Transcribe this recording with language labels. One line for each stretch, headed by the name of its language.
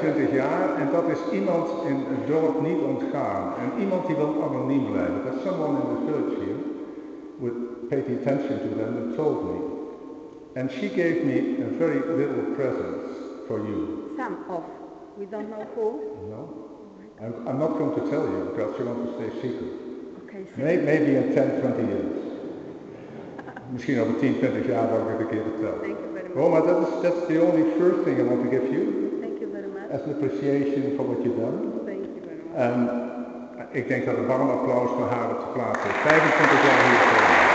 Dutch: jaar, en dat is iemand in het dorp niet ontgaan. En iemand die wil anoniem blijven.
English: There's someone in the church here who paid attention to them and told me. And she gave me a very little present for you. Some of. We don't know who. No. I'm not going to tell you because you want to stay secret. Okay, so maybe in 10, 20 years.
Dutch: Misschien over 10, 20 jaar dan ik het een keer vertel.
English: Thank you very much. Roma, that's the only first thing I want to give you. Thank you very much. As an appreciation for what you've done. Thank you very much.
Dutch: And ik denk dat een warm applaus voor haar op de plaats is. 25 jaar hier voor me.